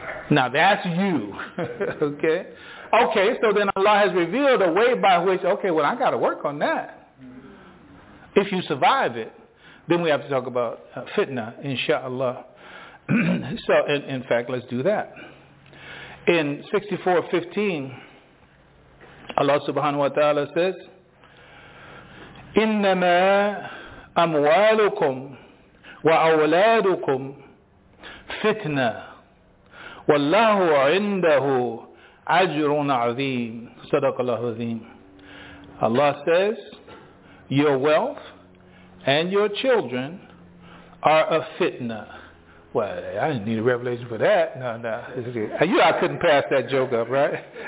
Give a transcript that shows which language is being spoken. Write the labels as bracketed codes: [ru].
[en] Now that's you. Okay? Okay, so then Allah has revealed a way by which, okay, well, I got to work on that. If you survive it. Then we have to talk about fitna, inshallah. So, in fact, let's do that. In 64:15, Allah subhanahu wa ta'ala says, [ar] إِنَّمَا أَمْوَالُكُمْ وَأَوْلَادُكُمْ فِتْنَةً وَاللَّهُ عِنْدَهُ أَجْرٌ عَظِيمٌ صَدَقَ اللَّهُ عَظِيمٌ. [en] Allah says, your wealth and your children are a fitna. Well, I didn't need a revelation for that. No. You know, I couldn't pass that joke up, right?